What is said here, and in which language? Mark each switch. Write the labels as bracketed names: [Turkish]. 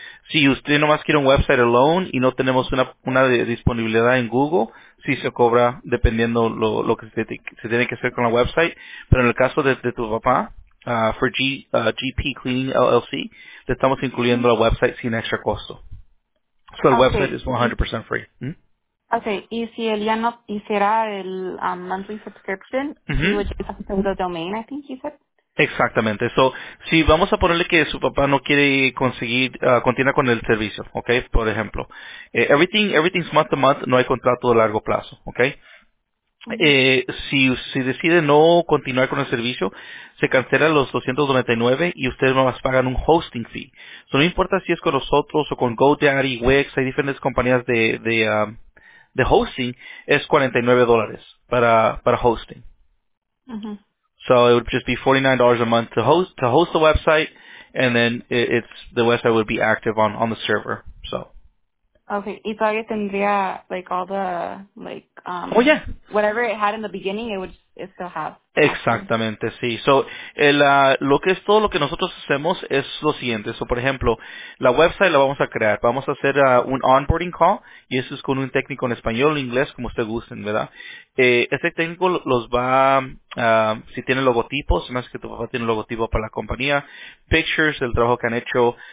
[Spanish] Si usted nomás quiere un website [English] alone [Spanish] y no tenemos una disponibilidad en Google, sí se cobra dependiendo lo que se tiene que hacer con la website. Pero en el caso de tu papá, for GP Cleaning LLC, le estamos incluyendo la website sin extra costo. So el website es 100% free. [English] Okay, [Spanish] y si él ya no hiciera el [English] monthly subscription, he would just have to go to the domain, I think he said. [Spanish] Exactamente. So, si vamos a ponerle que su papá no quiere conseguir, continuar con el servicio, ¿ok? Por ejemplo, [English] everything's month to month, [Spanish] no hay contrato de largo plazo, ¿ok? Si decide no continuar con el servicio, se cancela los $299 y ustedes nomás pagan un hosting fee. So, no importa si es con nosotros o con GoDaddy, Wix, hay diferentes compañías de hosting, es $49 para hosting. [English] So it would just be $49 a month to host the website, and then the website would be active on the server. So. Okay, [Spanish] y todavía tendría [English] like all the like Oh yeah. whatever it had in the beginning, it still have after. [Spanish] Exactamente, sí. So lo que es todo lo que nosotros hacemos es lo siguiente. So, por ejemplo, la website la vamos a crear. Vamos a hacer un onboarding call, y eso es con un técnico en español, inglés, como usted gusten, ¿verdad? Este técnico los va, si tiene logotipos, más que tu papá tiene logotipo para la compañía, pictures del trabajo que han hecho.